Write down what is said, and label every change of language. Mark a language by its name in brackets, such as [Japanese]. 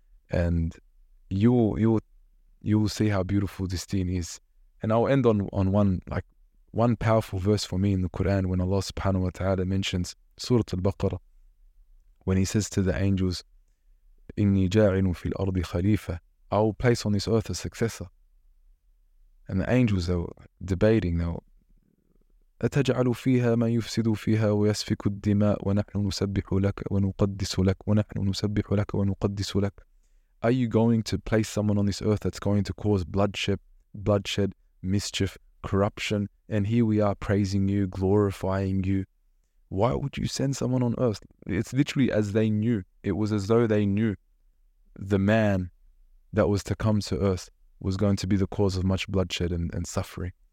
[English] And you will see how beautiful this deen is. And I'll end on one powerful verse for me in the Quran when Allah subhanahu wa ta'ala mentions Surah Al-Baqarah, when he says to the angels, [Arabic] إِنِّي جَاعِنُ فِي الْأَرْضِ خَلِيفَةً, [English] I will place on this earth a successor. And the angels are debating now, [Arabic] أَتَجْعَلُ فِيهَا مَا يُفْسِدُ فِيهَا وَيَسْفِكُ الدِّمَاءُ وَنَحْنُ نُسَبِّحُ لَكَ وَنُقَدِّسُ لَكَ وَنَحْنُ نُسَبِّحُ لَكَ وَنُقَدِّسُ لَكَ. [English] Are you going to place someone on this earth that's going to cause bloodshed, mischief, corruption, and here we are praising you, glorifying you? Why would you send someone on earth? It's literally as they knew. It was as though they knew the man that was to come to earth was going to be the cause of much bloodshed and suffering.